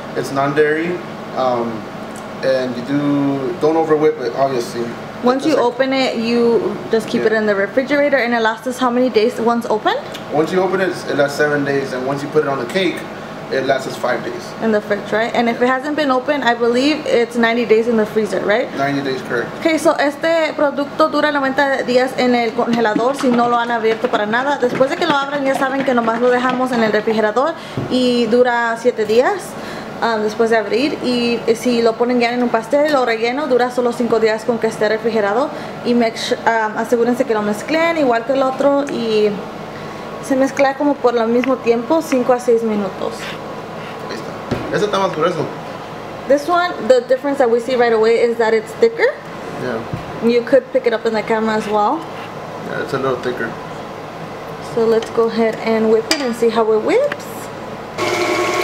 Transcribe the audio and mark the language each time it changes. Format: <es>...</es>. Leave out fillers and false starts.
<en>It's non-dairy, and you don't over whip it, obviously. Once you open it, you just keep it in the refrigerator, and it lasts us how many days once opened? Once you open it, it lasts 7 days, and once you put it on the cake, it lasts us 5 days. In the fridge, right? And if it hasn't been opened, I believe it's 90 days in the freezer, right? 90 days, correct.</en> <es>Okay, so este producto dura 90 días en el congelador si no lo han abierto para nada. Después de que lo abran, ya saben que nomás lo dejamos en el refrigerador y dura 7 días. Después de abrir, y si lo ponen ya en un pastel, lo relleno, dura solo 5 días con que esté refrigerado. Y asegúrense que lo mezclen igual que el otro, y se mezcla como por lo mismo tiempo, 5 a 6 minutos. Ahí está. Este está más grueso.</es> <en>This one, the difference that we see right away is that it's thicker. Yeah. You could pick it up in the camera as well. Yeah, it's a little thicker. So let's go ahead and whip it and see how it whips.</en>